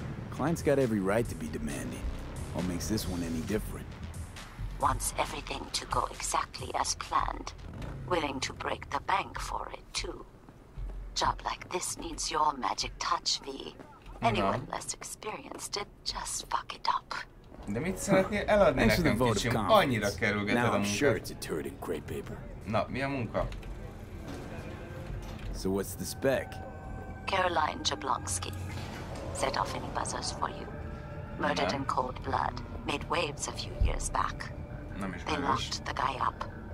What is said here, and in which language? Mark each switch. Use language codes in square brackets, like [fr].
[en] Client's got every right to be demanding. What makes this one any different? Wants everything to go exactly as planned. Willing to break the bank for it, too. Job like this needs your magic touch, V. Anyone less experienced, it just fuck it up. [hu] De mit szeretnél eladni nekem, kicsim? Annyira kerülgeted a munkát. [en] Now I'm sure it's a turd in crepe paper. [hu] Na, mi a munka? [en] So what's the spec? Caroline Jablonski. Set off any buzzers for you. Murdered in cold blood. Made waves a few years back. They locked the guy up.